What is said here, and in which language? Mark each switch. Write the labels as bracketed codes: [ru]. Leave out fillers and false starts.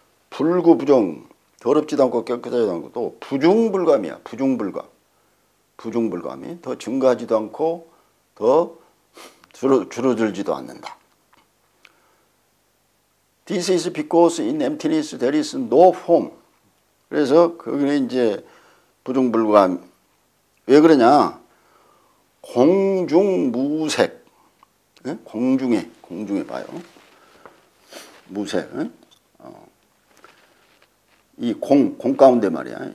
[ko] 불구부정 더럽지도 않고 깨끗하지도 않고 또 부중불감이야. 부중불감이 더 증가하지도 않고 더 줄어들지도 않는다. [en] This is because in emptiness there is no form. [ko] 그래서 그게 이제 부중불감. 왜 그러냐? 공중무색. 네? 공중에 봐요. 무색. 이 공 가운데 말이야.